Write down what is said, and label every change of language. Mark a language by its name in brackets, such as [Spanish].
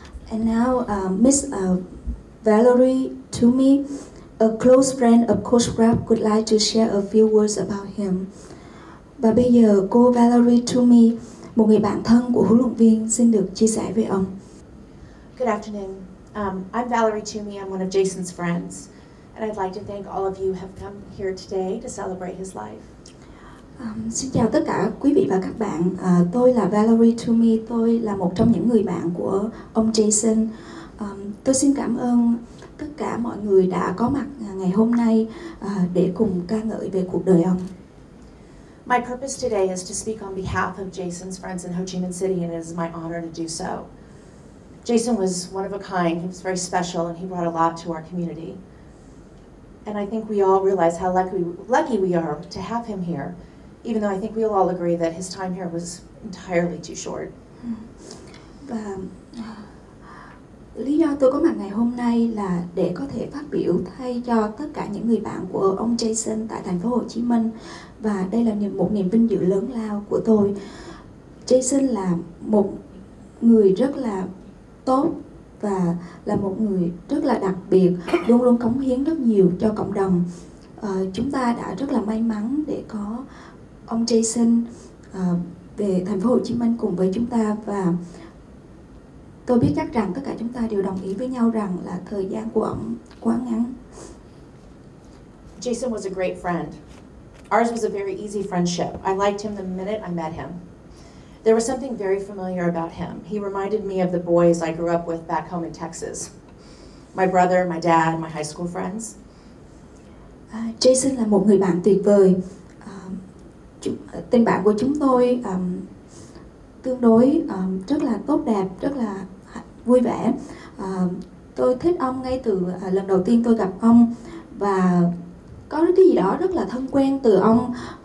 [English] And now, Miss Valerie Toomey, a close friend of Coach Rab, would like to share a few words about him. [Vietnamese] Và bây giờ, cô Valerie Toomey, một người bạn thân của huấn luyện viên, xin được chia sẻ với ông. [English] Good afternoon. I'm Valerie Toomey. I'm one of Jason's friends. And I'd like to thank all of you who have come here today to celebrate his life. [Vietnamese] Xin chào tất cả quý vị và các bạn. Tôi là Valerie Toomey. Tôi là một trong những người bạn của ông Jason. Tôi xin cảm ơn tất cả mọi người đã có mặt ngày hôm nay để cùng ca ngợi về cuộc đời ông. [English] My purpose today is to speak on behalf of Jason's friends in Ho Chi Minh City, and it is my honor to do so. Jason was one of a kind. He was very special, and he brought a lot to our community. And I think we all realize how lucky we are to have him here, even though I think we'll all agree that his time here was entirely too short. [Vietnamese] Và lý do tôi có mặt ngày hôm nay là để có thể phát biểu thay cho tất cả những người bạn của ông Jason tại thành phố Hồ Chí Minh. Và đây là một niềm vinh dự lớn lao của tôi. Jason là một người rất là tốt và là một người rất là đặc biệt, luôn luôn cống hiến rất nhiều cho cộng đồng. Chúng ta đã rất là may mắn để có ông Jason về thành phố Hồ Chí Minh cùng với chúng ta, và tôi biết chắc rằng tất cả chúng ta đều đồng ý với nhau rằng là thời gian của ông quá ngắn. [English] Jason was a great friend. Ours was a very easy friendship. I liked him the minute I met him. There was something very familiar about him. He reminded me of the boys I grew up with back home in Texas. My brother, my dad, my high school friends. [Vietnamese] Jason là một người bạn tuyệt vời. Tình bạn của chúng tôi tương đối rất là tốt đẹp, rất là vui vẻ. Tôi thích ông ngay từ lần đầu tiên tôi gặp ông, và có cái gì đó rất là thân quen từ ông.